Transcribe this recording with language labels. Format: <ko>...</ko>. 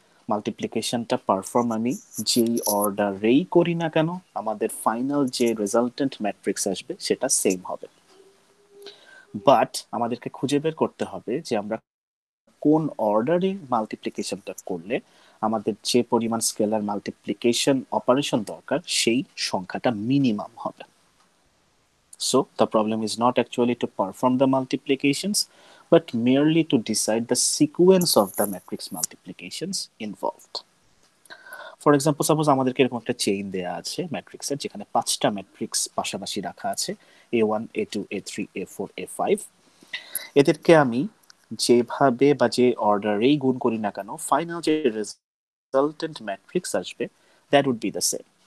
<bn>মাল্টিপ্লিকেশনটা perform আমি যেই অর্ডারেই করি না কেন, আমাদের ফাইনাল যে রেজাল্টেন্ট ম্যাট্রিক্স আসবে সেটা সেম হবে. বাট আমাদেরকে খুঁজে বের করতে হবে যে আমরা কোন অর্ডারে মাল্টিপ্লিকেশনটা করলে আমাদের যে পরিমাণ স্কেলার মাল্টিপ্লিকেশন অপারেশন দরকার সেই সংখ্যাটা মিনিমাম হবে.</bn> <en>So the problem is not actually to perform the multiplications, but merely to decide the sequence of the matrix multiplications involved. For example, suppose</en> <bn>আমাদেরকে এরকম একটা chain দেয়া আছে matrix এর যেখানে পাঁচটা matrix পাশাপাশি রাখা আছে A1, A2, A3, A4, A5. এদেরকে আমি যেভাবে বা যে অর্ডারেই গুণ করি না কেন ফাইনাল যে রেজাল্টেন্ট ম্যাট্রিক্স আসবে</bn> <en>That would be the same.</en>